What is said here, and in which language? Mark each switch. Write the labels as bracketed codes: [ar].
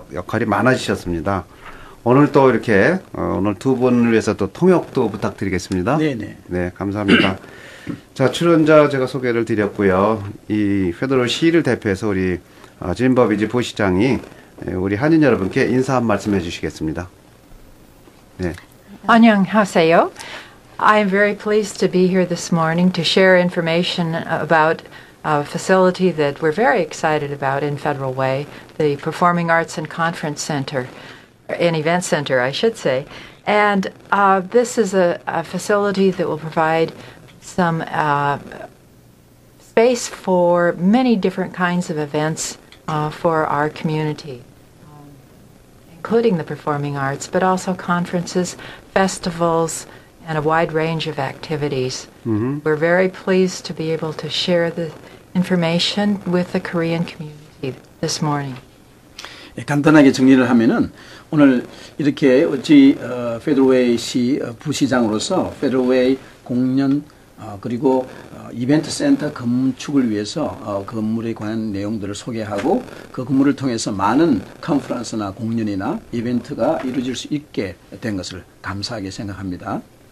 [ko] 역할이 많아지셨습니다. 오늘 또 이렇게 오늘 두 분을 위해서 또 통역도 부탁드리겠습니다. 네네. 네, 감사합니다. 자, 출연자 제가 소개를 드렸고요. 이 페더웨이 시를 대표해서 우리 진버비지 부시장이 우리 한인 여러분께 인사 한 말씀 해주시겠습니다. 네. 안녕하세요. [en] I am very pleased to be here this morning to share information about a facility that we're very excited about in Federal Way, the Performing Arts and Conference Center, an event center, I should say. And this is a facility that will provide some space for many different kinds of events for our community, including the performing arts, but also conferences, festivals, and a wide range of activities. Mm-hmm. We're very pleased to be able to share the information with the Korean community this morning. [ko] 예, 간단하게 정리를 하면은 오늘 이렇게 우리 페더웨이 시 부시장으로서 페더웨이 공연 그리고 이벤트 센터 건축을 위해서 건물에 관한 내용들을 소개하고 그 건물을 통해서 많은 컨퍼런스나 공연이나 이벤트가 이루어질 수 있게 된 것을 감사하게 생각합니다.